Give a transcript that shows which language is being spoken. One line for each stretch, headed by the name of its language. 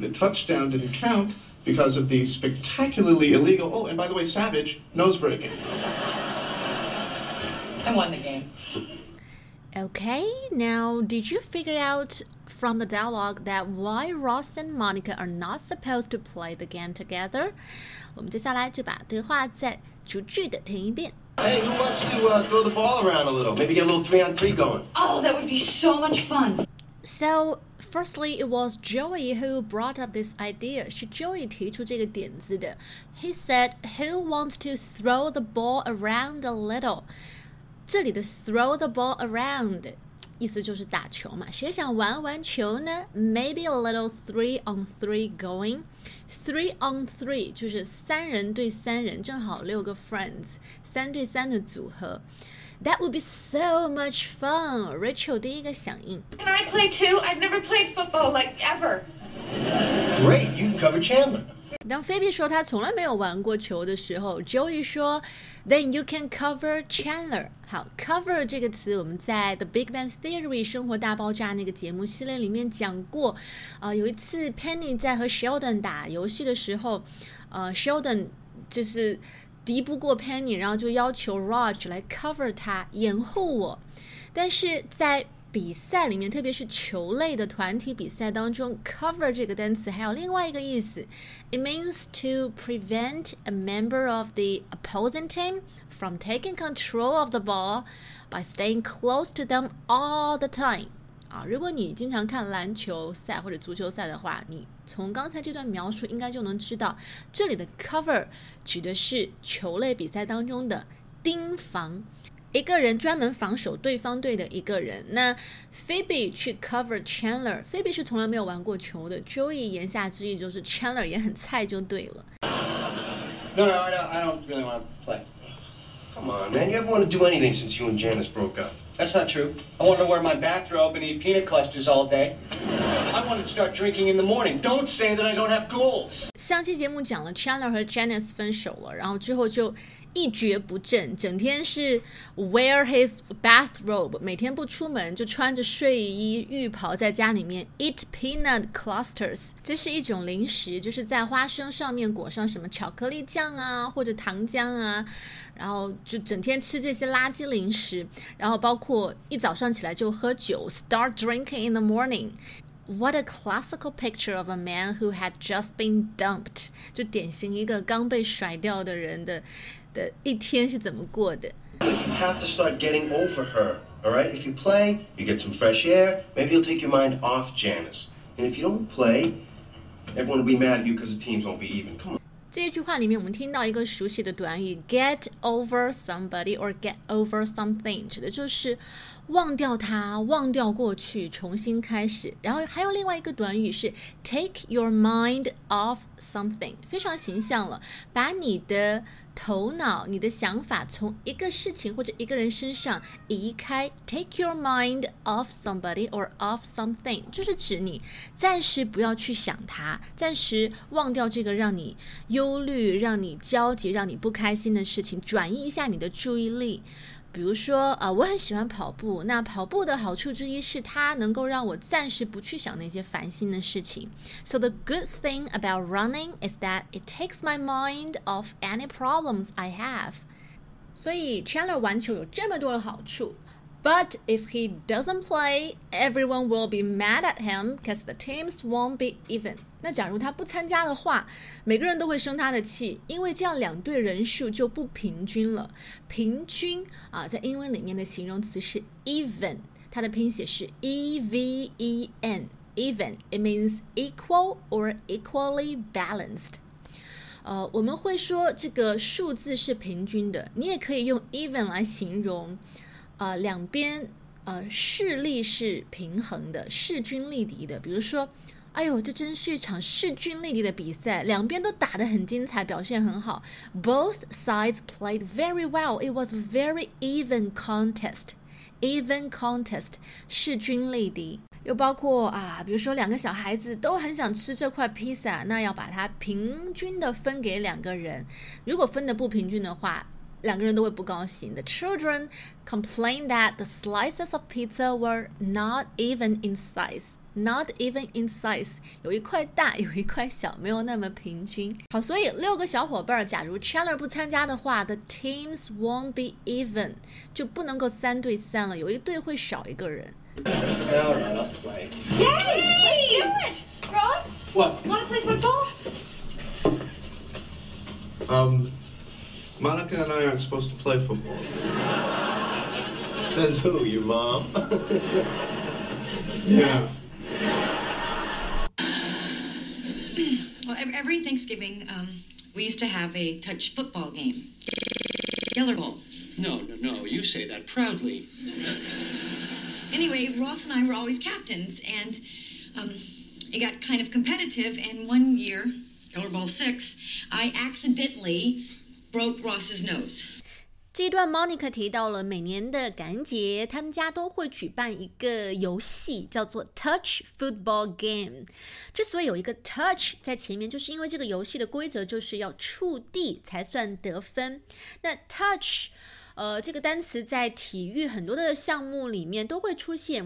English: The touchdown didn't count because of the spectacularly illegal, oh, and by the way, Savage, nose breaking. I won the game. Okay, now, did you figure out from the dialogue that why Ross and Monica are not supposed to play the game together?
Chinese: 我们接下来就把对话再逐句的听一遍。
English: Hey, who wants to throw the ball around a little? Maybe get a little 3-on-3 going. Oh, that would be so much fun. So, firstly, it was Joey who brought up this idea.
Chinese: 是 Joey 提出这个点子的。
English: He said, who wants to throw the ball around a little?
Chinese: 这里的
English: throw the ball around...
Chinese: 意思就是打球嘛，谁想玩玩球呢 ？
English: Maybe a little 3-on-3 going.
Chinese: 3-on-3 就是三人对三人，正好六个 friends， 三对三的组合。
English: That would be so much fun.
Chinese: Rachel 第一个响应。
English: Can I play too? I've never played football like ever. Great, you can cover Chandler.
Chinese: 当菲比说她从来没有玩过球的时候 ，Joey 说。
English: Then you can cover Chandler.
Chinese: 好 ，cover 这个词我们在 The Big Bang Theory 生活大爆炸那个节目系列里面讲过。有一次 Penny 在和 Sheldon 打游戏的时候，Sheldon 就是敌不过 Penny， 然后就要求 Raj 来 cover 他，掩护我。但是在比赛里面，特别是球类的团体比赛当中 ，cover 这个单词还有另外一个意思
English: ，it means to prevent a member of the opposing team from taking control of the ball by staying close to them all the time。
Chinese: 啊，如果你经常看篮球赛或者足球赛的话，你从刚才这段描述应该就能知道，这里的 cover 指的是球类比赛当中的盯防。一个人专门防守对方队的一个人，那 Phoebe 去 cover Chandler， Phoebe 是从来没有玩过球的， Joey 言下之意就是 Chandler 也很菜就对了。
English: No, I don't really want to play. Come on, man, you haven't wanted to do anything since you and Janice broke up. That's not true. I wanted to wear my bathrobe and eat peanut clusters all day. I wanted to start drinking in the morning. Don't say that I don't have goals.
Chinese: 上期节目讲了 Chandler 和 Janice 分手了，然后之后就一蹶不振，整天是
English: wear his bathrobe，
Chinese: 每天不出门，就穿着睡衣浴袍在家里面
English: eat peanut clusters，
Chinese: 这是一种零食，就是在花生上面裹上什么巧克力酱啊或者糖浆啊，然后就整天吃这些垃圾零食，然后包括一早上起来就喝酒
English: start drinking in the morning。 What a classical picture of a man who had just been dumped，
Chinese: 就典型一个刚被甩掉的人的一天是怎么过的。
English: But you have to start getting over her, all right? If you play, you get some fresh air. Maybe you'll take your mind off Janice. And if you don't play, everyone will be mad at you because the teams won't be even. Come on.
Chinese: 这一句话里面我们听到一个熟悉的短语
English: get over somebody or get over something，
Chinese: 指的就是忘掉它，忘掉过去，重新开始。然后还有另外一个短语是
English: take your mind off something，
Chinese: 非常形象了，把你的头脑，你的想法从一个事情或者一个人身上移开。
English: take your mind off somebody or off something
Chinese: 就是指你暂时不要去想它，暂时忘掉这个让你忧虑，让你焦急，让你不开心的事情，转移一下你的注意力。比如说我很喜欢跑步，那跑步的好处之一是它能够让我暂时不去想那些烦心的事情。
English: So the good thing about running is that it takes my mind off any problems I have.
Chinese: 所以 Chandler 玩球有这么多的好处。
English: But if he doesn't play, everyone will be mad at him because the teams won't be even.
Chinese: 那假如他不参加的话，每个人都会生他的气，因为这样两队人数就不平均了。平均啊，在英文里面的形容词是 even， 它的拼写是 E-V-E-N， even，
English: it means equal or equally balanced。
Chinese: 我们会说这个数字是平均的，你也可以用 even 来形容，两边势力是平衡的，势均力敌的。比如说，哎呦，这真是一场势均力敌的比赛，两边都打得很精彩，表现很好。
English: Both sides played very well. It was a very even contest. Even contest,
Chinese: 势均力敌。又包括啊，比如说两个小孩子都很想吃这块披萨，那要把它平均的分给两个人。如果分得不平均的话，两个人都会不高兴。
English: The children complained that the slices of pizza were not even in size. Not even in size，
Chinese: 有一块大，有一块小，没有那么平均。好，所以六个小伙伴，假如 Chandler 不参加的话 ，
English: the teams won't be even，
Chinese: 就不能够三对三了，有一队会少一个人。
English: Now we're off to play. Yay! Let's do it, Ross. What? Want to play football? Monica and I aren't supposed to play football. Says who? Your mom? Yes. Every Thanksgiving, we used to have a touch football game. Yeller Bowl. No, you say that proudly. Anyway, Ross and I were always captains, and it got kind of competitive, and one year, Yeller Bowl 6, I accidentally broke Ross's nose.
Chinese: 这一段 Monica 提到了每年的感恩节他们家都会举办一个游戏叫做 Touch Football Game。之所以有一个 Touch 在前面，就是因为这个游戏的规则就是要触地才算得分。那 Touch这个单词在体育很多的项目里面都会出现。